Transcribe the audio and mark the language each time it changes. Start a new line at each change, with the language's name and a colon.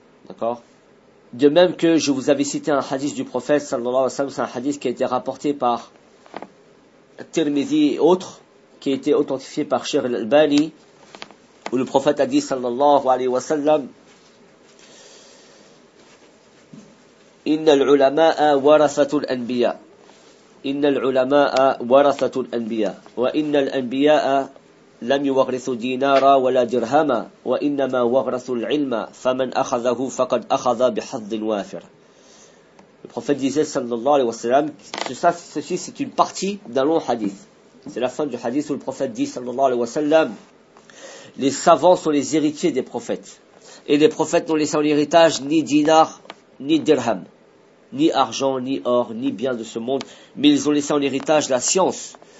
French: D'accord ? De même que je vous avais cité un hadith du prophète sallallahu alayhi wa sallam, c'est un hadith qui a été rapporté par Tirmidhi et autres, qui a été authentifié par Cheikh Al-Albani, où le prophète a dit sallallahu alayhi wa sallam:
Arabic: Inna al-ulama'a warathatul anbiya. Wa inna al-anbiya'a لم يورثوا دينارا ولا درهما وإنما ورثوا العلم فمن أخذه فقد أخذ بحظ وافر.
French: Le prophète disait sallallahu alayhi wa sallam, ceci c'est une partie d'un long hadith. C'est la fin du hadith où le prophète dit sallallahu alayhi wa sallam: les savants sont les héritiers des prophètes, et les prophètes n'ont laissé en héritage ni dinar ni dirham, ni argent, ni or, ni bien de ce monde, mais ils ont laissé en héritage la science.